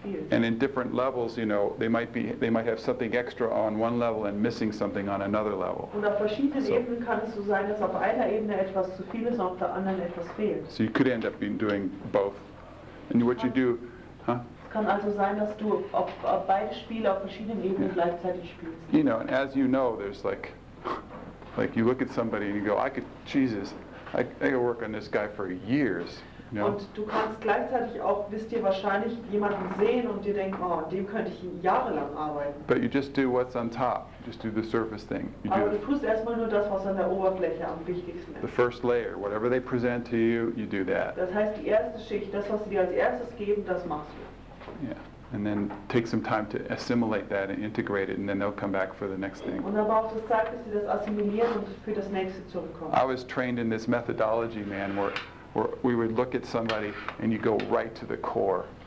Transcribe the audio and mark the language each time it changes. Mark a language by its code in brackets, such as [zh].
[en] And in different levels, you know, they might have something extra on one level and missing something on another level. So you could end up doing both. And what you do, huh? [de] kann also sein, dass du auf beide Spiele auf verschiedenen Ebenen gleichzeitig spielst. [en] You know, and as you know, there's like you look at somebody and you go, I could work on this guy for years. You know? [de] Und du kannst gleichzeitig auch, wisst ihr wahrscheinlich, jemanden sehen und dir denken, oh, dem könnte ich jahrelang arbeiten. [en] But you just do what's on top. Just do the surface thing. [de] Aber du tust erstmal nur das, was an der Oberfläche am wichtigsten ist. [en] The first layer, whatever they present to you, you do that. [de] Das heißt, die erste Schicht, das, was sie dir als erstes geben, das machst du. [en] Yeah. And then take some time to assimilate that and integrate it, and then they'll come back for the next thing. [de] Und dann braucht es Zeit, bis sie das assimilieren und für das nächste zurückkommen. [en] I was trained in this methodology, man, where we would look at somebody and you go right to the core.